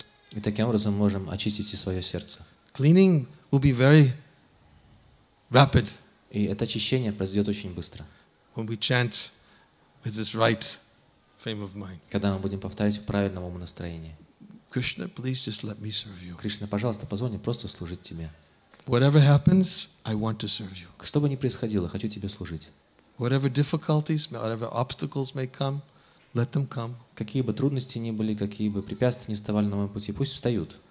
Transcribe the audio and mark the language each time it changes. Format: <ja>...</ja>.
<ru>И таким образом можем очистить и свое сердце.</ru> <en>Cleaning will be very rapid.</en> <ru>И это очищение произойдет очень быстро.</ru> <en>When we chant with this right frame of mind.</en> <ru>Когда мы будем повторять в правильном уме настроении.</ru> <en>Krishna, please just let me serve you.</en> <ru>Кришна, пожалуйста, позволь мне просто служить Тебе.</ru> <en>Whatever happens, I want to serve you.</en> <ru>Что бы ни происходило, хочу Тебе служить.</ru> <en>Whatever difficulties, whatever obstacles may come, let them come.</en> <ru>Какие бы трудности ни были, какие бы препятствия ни вставали на моем пути, пусть встают.</ru>